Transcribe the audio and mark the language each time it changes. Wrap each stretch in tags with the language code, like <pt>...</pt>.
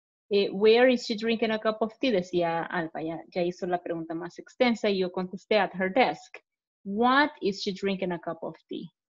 <en>Where is she drinking a cup of tea?</en> <es>Decía Alba, ya hizo la pregunta más extensa y yo contesté</es> <en>at her desk. What is she drinking a cup of tea?</en>